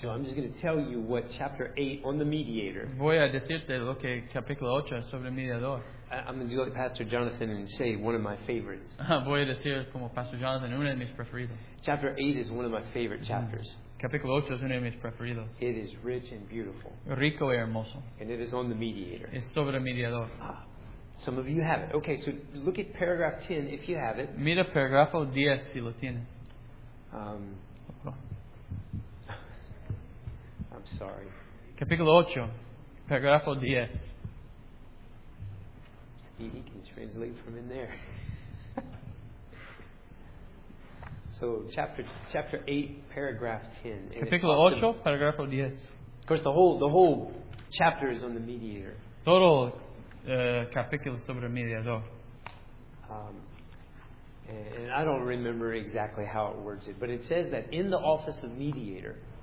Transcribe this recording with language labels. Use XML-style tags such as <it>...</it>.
<en>So I'm just going to tell you what chapter 8 on the mediator.</en> <es>Voy a decirte lo que capítulo 8 sobre el mediador.</es> <en>I'm going to do like Pastor Jonathan and say one of my favorites.</en> <es>Voy a decir como Pastor Jonathan, una de mis preferidas.</es> <en>Chapter 8 is one of my favorite chapters.</en> <es>capítulo 8 es uno de mis preferidos.</es> <en>It is rich and beautiful.</en> <es>Rico y hermoso.</es> <en>And it is on the mediator.</en> <es>Es sobre el mediador.</es> <en>Some of you have it. Okay, so look at paragraph 10 if you have it.</en> <es>Mira paragrafo 10 si lo tienes.</es> <en>I'm sorry.</en> <es>Capítulo 8, paragrafo 10.</es> <en>He can translate from in there. So chapter 8, paragraph 10.</en> <es>Capítulo 8, paragrafo 10.</es> <en>Of course, the whole chapter is on the mediator.</en> <es>Todo capítulo sobre mediador.</es> <en>And I don't remember exactly how it words it, but it says that in the office of mediator.</en>